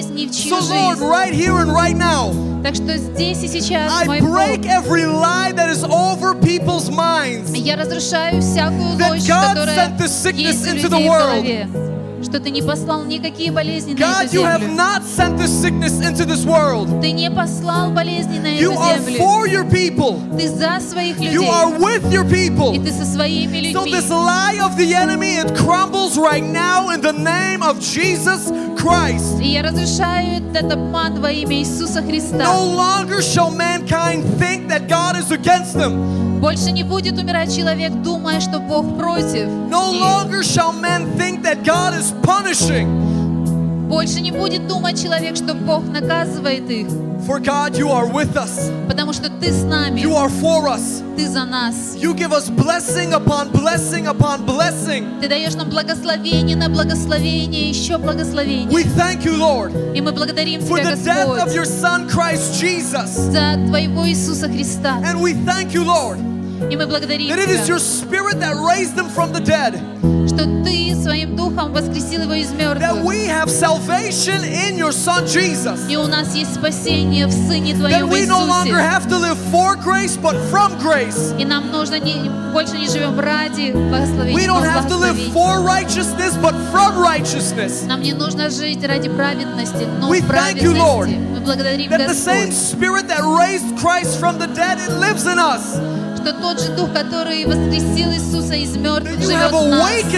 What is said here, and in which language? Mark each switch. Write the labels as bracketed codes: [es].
[en] So Lord, right here and right now, I break every lie that is over people's minds. That God sent the sickness into the world. [ru] Что ты не послал никакие болезни на эту землю. [en] God, you have not sent this sickness into this world. [ru] Ты не послал болезни на эту землю. [en] You are for your people. [ru] Ты за своих людей. [en] You are with your people. [ru] И ты со своими людьми. [en] So this lie of the enemy, it crumbles right now in the name of Jesus Christ. [ru] И я разрушаю этот обман во имя Иисуса Христа. [en] No longer shall mankind think that God is against them. [ru] Больше не будет умирать человек, думая, что Бог против. [en] No longer shall men think that God is punishing. [ru] Больше не будет думать человек, что Бог наказывает их. [en] For God, you are with us. [ru] Потому что ты с нами. [en] You are for us. [ru] Ты за нас. [en] You give us blessing upon blessing upon blessing. [ru] Ты даешь нам благословение на благословение, еще благословение. [en] We thank you, Lord. [ru] И мы благодарим тебя, [en] for the [ru] Господь, [en] death of your Son Christ Jesus. [ru] За твоего Иисуса Христа. [en] And we thank you, Lord. [ru] И мы благодарим тебя. [en] That it is your Spirit that raised them from the dead. [ru] Что ты своим духом воскресил его из мертвых. [en] That we have salvation in your Son Jesus. [ru] И у нас есть спасение в Сыне твоем Иисусе. [en] That we no longer have to live for grace, but from grace. [ru] И нам нужно не больше не живем ради благословения. [en] We don't have to live for righteousness, but from righteousness. [ru] Нам не нужно жить ради праведности, но праведности. [en] We thank you, Lord. [ru] Мы благодарим Господь. [en] That the same Spirit that raised Christ from the dead, it lives in us. [ru] Что тот же дух, который воскресил Иисуса из мертвых, живет в нас.